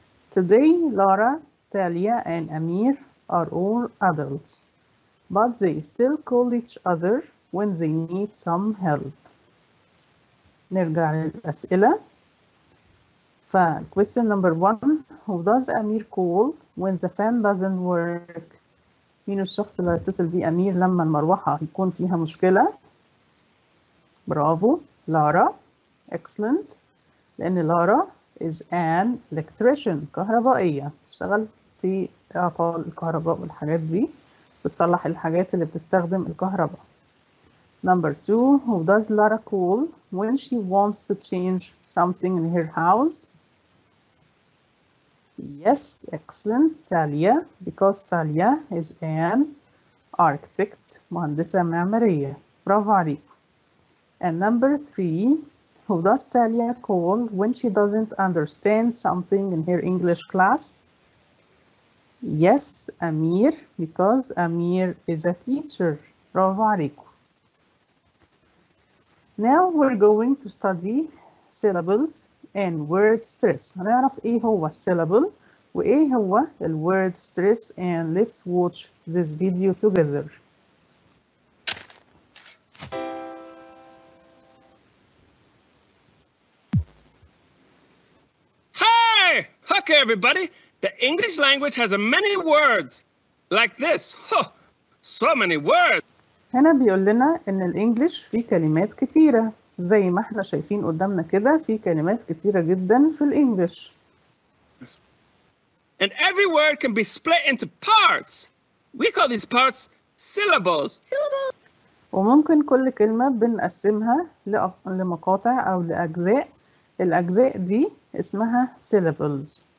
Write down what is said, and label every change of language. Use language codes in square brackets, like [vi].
[en] Today, Lara, Talia, and Amir are all adults, but they still call each other when they need some help. [ar] نرجع للأسئلة. [en] فquestion number one, who does Amir call when the fan doesn't work? [ar] مين الشخص اللي هيتصل بيه أمير لما المروحة يكون فيها مشكلة؟ برافو لارا. Excellent. لأن لارا [en] is an electrician, [ar] كهربائية. تشتغل في إعطال الكهرباء والحاجات دي. بتصلح الحاجات اللي بتستخدم الكهرباء. [en] Number two, who does Lara call when she wants to change something in her house? Yes, excellent, Talia, because Talia is an architect, مهندسة معمارية. Bravo, Ali. And number three, who does Talia call when she doesn't understand something in her English class? Yes, Amir, because Amir is a teacher. Bravo, Ali. Now we're going to study syllables and word stress. [ar] هنعرف إيه هو [en] syllable. [ar] وإيه هو الـ [en] word stress and let's watch this video together. Hi! Okay, everybody. The English language has many words like this. Huh. So many words. [ar] هنا بيقول لنا إن الإنجليش فيه كلمات كتيرة. زي ما احنا شايفين قدامنا كده فيه كلمات كتيرة جدا في الإنجليش. [en] And every word can be split into parts. We call these parts syllables. [ar] وممكن كل كلمة بنقسمها لمقاطع أو لأجزاء. الأجزاء دي اسمها syllables.